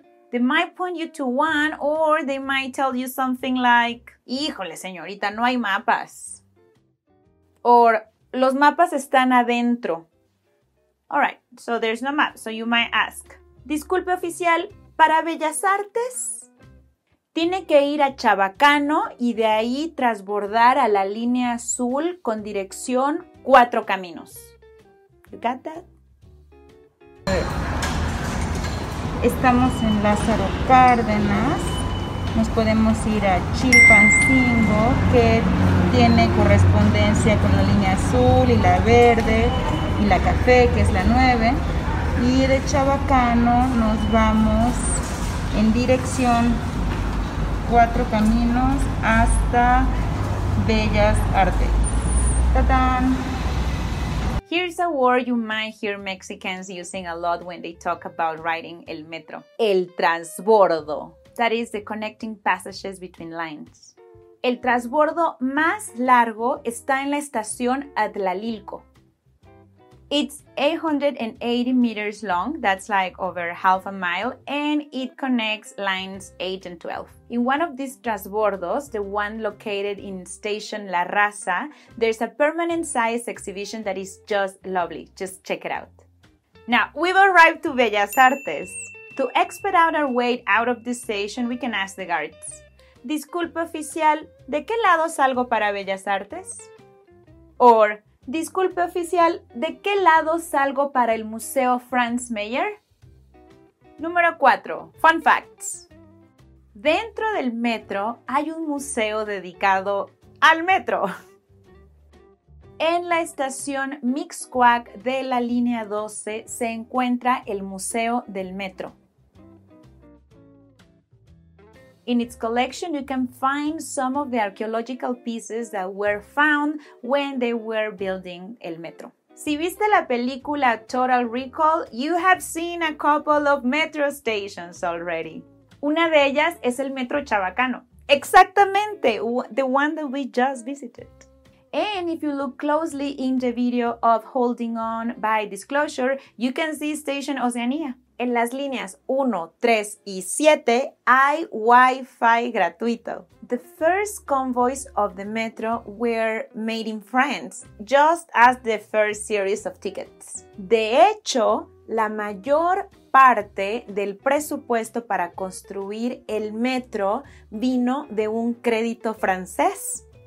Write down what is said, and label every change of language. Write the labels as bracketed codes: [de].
[en] They might point you to one, or they might tell you something like, [es] híjole, señorita, no hay mapas. [en] Or, [es] los mapas están adentro. [en] Alright, so there's no map, so you might ask. [es] Disculpe, oficial, ¿para Bellas Artes? Tiene que ir a Chabacano y de ahí transbordar a la línea azul con dirección Cuatro Caminos. [en] You got that? [es] Estamos en Lázaro Cárdenas. Nos podemos ir a Chilpancingo, que tiene correspondencia con la línea azul y la verde y la café, que es la 9. Y de Chabacano nos vamos en dirección Cuatro Caminos hasta Bellas Artes. ¡Tadán! [en] Here's a word you might hear Mexicans using a lot when they talk about riding [es] el metro. [en] El transbordo. That is the connecting passages between lines. [es] El transbordo más largo está en la estación Atlalilco. [en] It's 880 meters long, that's like over half a mile, and it connects lines 8 and 12. In one of these transbordos, the one located in station La Raza, there's a permanent size exhibition that is just lovely. Just check it out. Now, we've arrived to Bellas Artes. To expedite our way out of the station, we can ask the guards. [es] Disculpe, oficial, ¿de qué lado salgo para Bellas Artes? Or, disculpe, oficial, ¿de qué lado salgo para el Museo Franz Mayer? Número 4. [en] Fun Facts. [es] Dentro del metro hay un museo dedicado al metro. En la estación Mixcoac de la línea 12 se encuentra el Museo del Metro. [en] In its collection, you can find some of the archaeological pieces that were found when they were building [es] el metro. Si viste la película [en] Total Recall, you have seen a couple of metro stations already. [es] Una de ellas es el Metro Chabacano. Exactamente, [en] the one that we just visited. And if you look closely in the video of Holding On by Disclosure, you can see Station Oceanía. [es] En las líneas 1, 3 y 7 hay Wi-Fi gratuito. [en] The first convoys of the metro were made in France, just as the first series of tickets. [es] De hecho, la mayor parte del presupuesto para construir el metro vino de un crédito francés.